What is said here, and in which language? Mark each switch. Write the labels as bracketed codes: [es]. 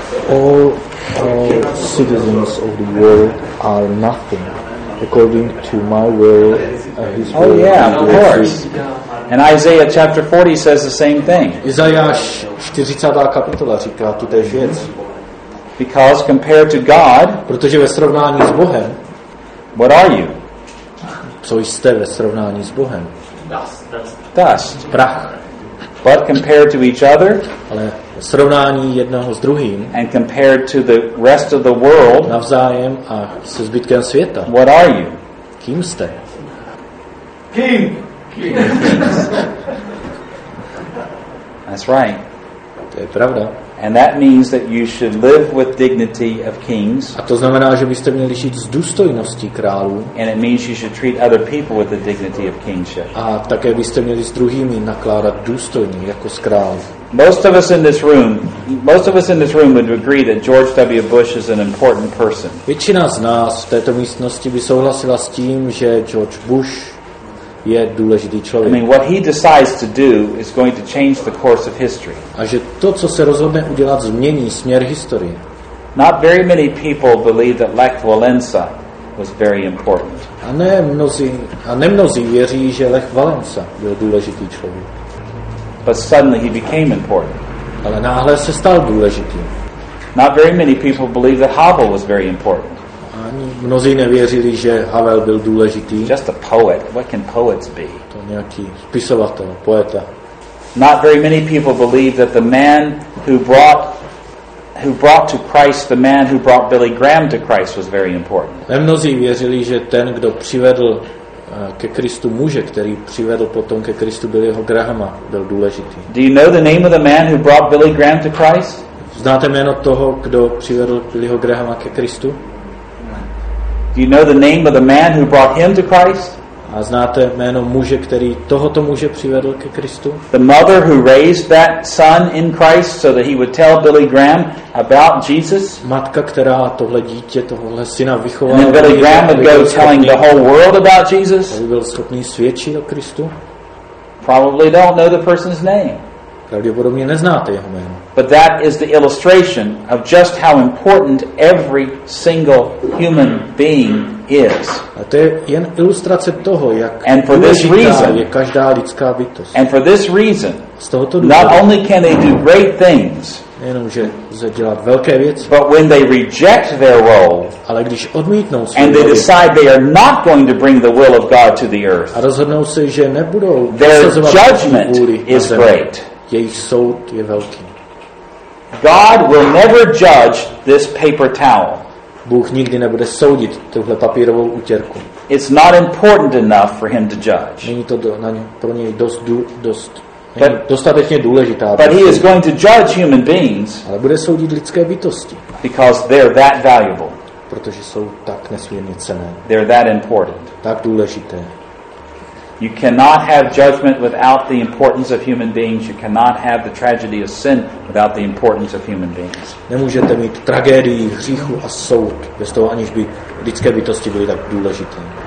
[en] All citizens of the world are nothing. According to my will, his will. Oh yeah, of course. And Isaiah chapter 40 says the same thing. [cs] Izajáš 40. kapitola říká tutéž věc. [en] Because compared to God, [cs] protože ve srovnání s Bohem, [en] what are you? [cs] Co jste ve srovnání s Bohem? [en] Dust. [cs] Prach. [en] But compared to each other, [cs] ale ve srovnání jednoho s druhým, [en] and compared to the rest of the world, [cs] navzájem a se zbytkem světa, [en] what are you? [cs] Kým jste? [en] King. That's right. [cs] To je pravda. [en] And that means that you should live with dignity of kings. [cs] A to znamená, že byste měli žít s důstojností králů. [en] And it means you should treat other people with the dignity of kingship. [cs] A také byste měli s druhými nakládat důstojně jako s králem. [en] Most of us in this room would agree that George W. Bush is an important person. [cs] Většina z nás v této místnosti by souhlasila s tím, že George Bush je důležitý člověk. [en] I mean, what he decides to do is going to change the course of history. [cs] A že to, co se rozhodne udělat, změní směr historie. [en] Not very many people believe that Lech Walesa was very important. [cs] A nemnozí věří, že Lech Walesa byl důležitý člověk. [en] But suddenly he became important. [cs] Ale náhle se stal důležitý. [en] Not very many people believe that Havel was very important. [cs] Mnozí nevěřili, že Havel byl důležitý. [en] Just a poet. What can poets be? [cs] To nějaký spisovatel, poeta. [en] Not very many people believe that the man who brought to Christ, the man who brought Billy Graham to Christ was very important. [cs] Nemnozí věřili, že ten, kdo přivedl ke Kristu muže, který přivedl potom ke Kristu Billyho Grahama, byl důležitý. [en] Do you know the name of the man who brought Billy Graham to Christ? [cs] Znáte jméno toho, kdo přivedl Billyho Grahama ke Kristu? [en] Do you know the name of the man who brought him to Christ? [cs] A znáte jméno muže, který tohoto muže přivedl ke Kristu? [en] The mother who raised that son in Christ so that he would tell Billy Graham about Jesus? [cs] Matka, která tohle dítě, tohle syna vychovala. [en] And Billy Graham would go telling the whole world about Jesus? [cs] Aby byl schopný svědčit o Kristu? [en] Probably don't know the person's name. [cs] Pravděpodobně neznáte jeho jméno. [en] But that is the illustration of just how important every single human being is. [cs] A to je jen ilustrace toho, jak důležitá je každá lidská bytost. [en] And for this reason, [cs] z tohoto důvodu, [en] not only can they do great things, [cs] nejenomže může dělat velké věci, [en] but when they reject their role, [cs] ale když odmítnou svou [en] and they decide they are not going to bring the will of God to the earth, [cs] a rozhodnou se, že nebudou [en] their judgment is great. [cs] Jejich soud je velký. [en] God will never judge this paper towel. [cs] Bůh nikdy nebude soudit tuhle papírovou utěrku. [en] It's not important enough for him to judge. [cs] Není to pro něj dost dostatečně důležitá. [en] But he is going to judge human beings. [cs] Ale bude soudit lidské bytosti. [en] Because they're that valuable. [cs] Protože jsou tak nesmírně cenné. [en] They're that important. [cs] Tak důležité. [en] You cannot have judgment without the importance of human beings. You cannot have the tragedy of sin without the importance of human beings. [cs] Nemůžete mít tragédii, hříchu a soud bez toho, aniž by lidské bytosti byly tak důležité.